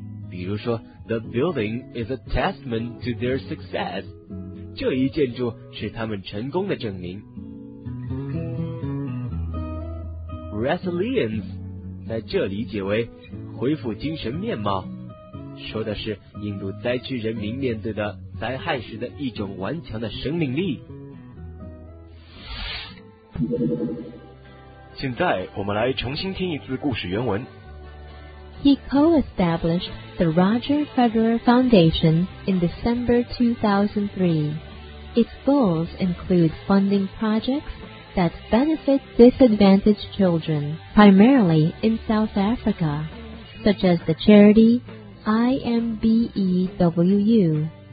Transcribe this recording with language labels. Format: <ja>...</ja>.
<zh>比如说</zh> <en>The building is a testament to their success.</en> <zh>这一建筑是他们成功的证明。 Resilience 在这理解为恢复精神面貌，说的是印度灾区人民面对的灾害时的一种顽强的生命力。现在我们来重新听一次故事原文。</zh> <en>He co-established the Roger Federer Foundation in December 2003. Its goals include funding projectsThat benefit disadvantaged children, primarily in South Africa, such as the charity IMBEWU.</en>